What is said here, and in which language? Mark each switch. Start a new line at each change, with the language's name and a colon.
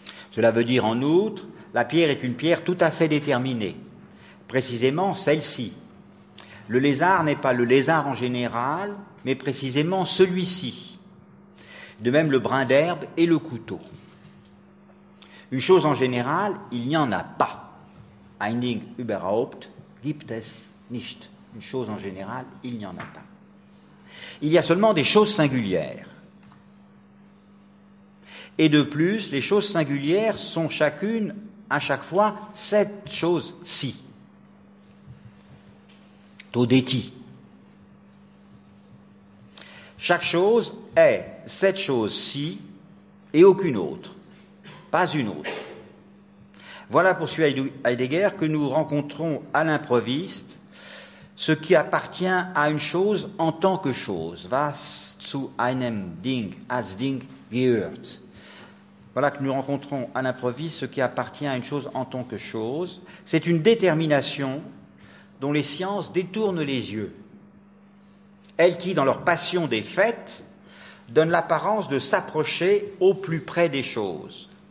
French: Cela veut dire en outre, la pierre est une pierre tout à fait déterminée, précisément celle-ci. Le lézard n'est pas le lézard en général, mais précisément celui-ci. De même le brin d'herbe et le couteau. Une chose en général, il n'y en a pas.
German: Ein Ding überhaupt gibt es nicht.
French: Une chose en général, il n'y en a pas. Il y a seulement des choses singulières. Et de plus, les choses singulières sont chacune, à chaque fois, cette chose-ci.
Greek: Todeti.
French: Chaque chose est cette chose-ci et aucune autre. Pas une autre. Voilà, poursuit Heidegger, que nous rencontrons à l'improviste ce qui appartient à une chose en tant que chose.
German: Was zu einem Ding als Ding gehört.
French: Voilà que nous rencontrons à l'improviste ce qui appartient à une chose en tant que chose. C'est une détermination dont les sciences détournent les yeux. Elles qui, dans leur passion des faits, donnent l'apparence de s'approcher au plus près des choses.